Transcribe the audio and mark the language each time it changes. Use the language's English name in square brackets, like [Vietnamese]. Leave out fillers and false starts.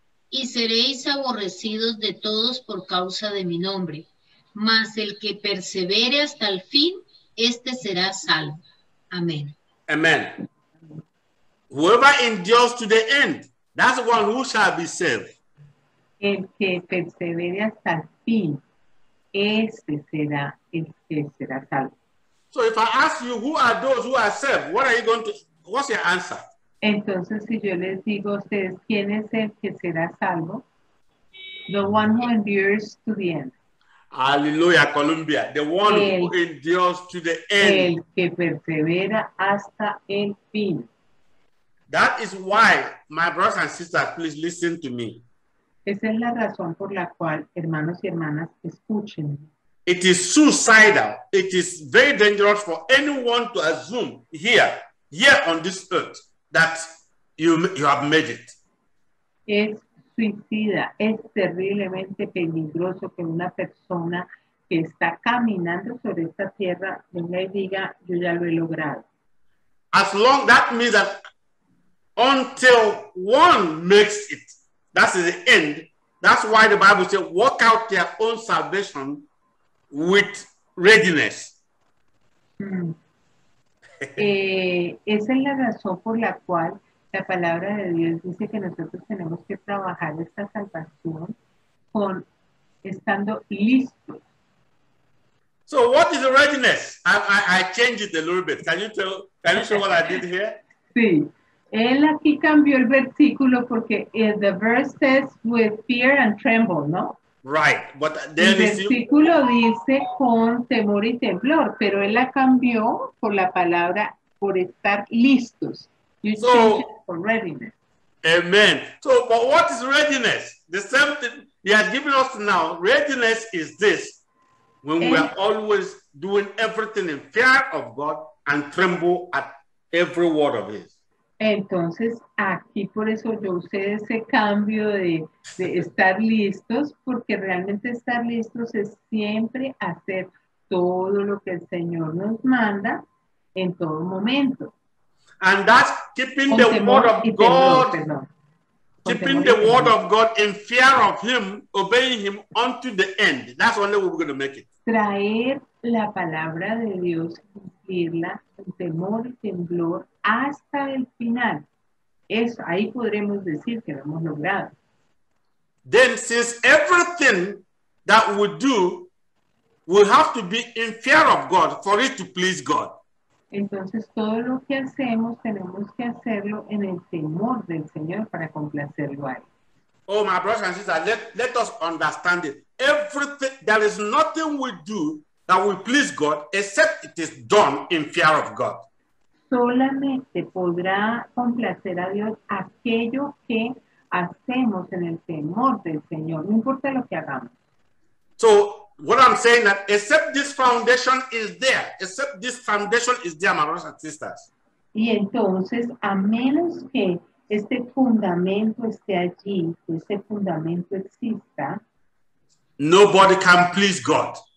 [Spanish] Y seréis aborrecidos de todos por causa de mi nombre. Mas el que persevere hasta el fin, este será salvo. Amén. [English] Amen. Whoever endures to the end, that's the one who shall be saved. [Spanish] El que persevere hasta el fin, este será el que será salvo. [English] So if I ask you, who are those who are saved? What are you going to? What's your answer? [Spanish] Entonces, si yo les digo a ustedes, ¿quién es el que será salvo? [English] The one who endures to the end. Hallelujah, Colombia. The one el, who endures to the end. [Spanish] El que persevera hasta el fin. [English] That is why, my brothers and sisters, please listen to me. [Spanish] Esa es la razón por la cual, hermanos y hermanas, escuchen. [English] It is suicidal. It is very dangerous for anyone to assume here on this earth that you have made it. [Spanish] Es suicida, es terriblemente peligroso que una persona que está caminando sobre esta tierra venga y diga yo ya lo he logrado. [English] As long that means that until one makes it, that's the end. That's why the Bible says work out their own salvation with readiness. [Spanish] Esa es la razón por la cual la palabra de Dios dice que nosotros tenemos que trabajar esta salvación con estando listos. [English] So what is the readiness? I changed it a little bit. Can you show what I did here? [Spanish] Sí. Él aquí cambió el versículo porque [English] the verse says with fear and tremble, [Spanish] ¿no? [English] Right. But then [Spanish] el versículo dice con temor y temblor, pero él la cambió por la palabra por estar listos. [English] So, for readiness. Amen. So, but what is readiness? The same thing he has given us now. Readiness is this, when we are always doing everything in fear of God and tremble at every word of his. [Spanish] Entonces, aquí por eso yo usé ese cambio de estar listos, porque realmente estar listos es siempre hacer todo lo que el Señor nos manda en todo momento. [English] And that's keeping the word of God, keeping the word of God in fear of him, obeying him unto the end. That's only we're going to make it. [Spanish] Traer la palabra de Dios, cumplirla con temor y temblor hasta el final. Eso, ahí podremos decir que lo hemos logrado. [English] Then, since everything that we do will have to be in fear of God for it to please God. [Spanish] Entonces, todo lo que hacemos tenemos que hacerlo en el temor del Señor para complacerlo a él. [English] Oh, my brothers and sisters, let us understand it. Everything, there is nothing we do that will please God, except it is done in fear of God. [Spanish] Solamente podrá complacer a Dios aquello que hacemos en el temor del Señor, no importa lo que hagamos. [English] So, what I'm saying that except this foundation is there, my brothers and sisters. [Spanish] Y entonces, a menos que este fundamento esté allí, que este fundamento exista, [English] nobody can please God.